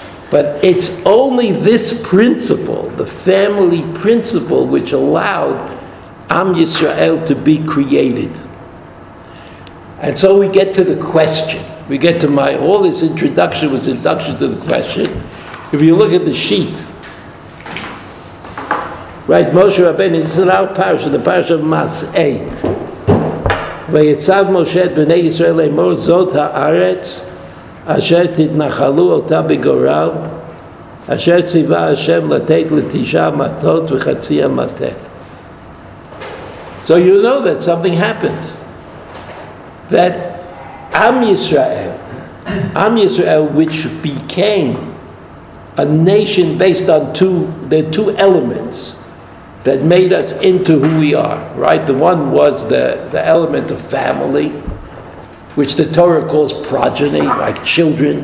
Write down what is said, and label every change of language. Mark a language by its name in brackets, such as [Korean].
[English] But it's only this principle, the family principle, which allowed Am Yisrael to be created. And so we get to the question. We get to all this introduction was introduction to the question. If you look at the sheet, right, Moshe Rabbeinu, this is our parasha, the parasha of Mas'ei. [Hebrew] ויצב משה את בני ישראל לאמור זאת הארץ אשר תתנחלו אותה בגורל אשר ציווה השם לתת לתשע מטות וחצי המטה. [English] So you know that something happened. That Am Yisrael, which became a nation based on the two elements that made us into who we are, right? The one was the element of family, which the Torah calls progeny, like children.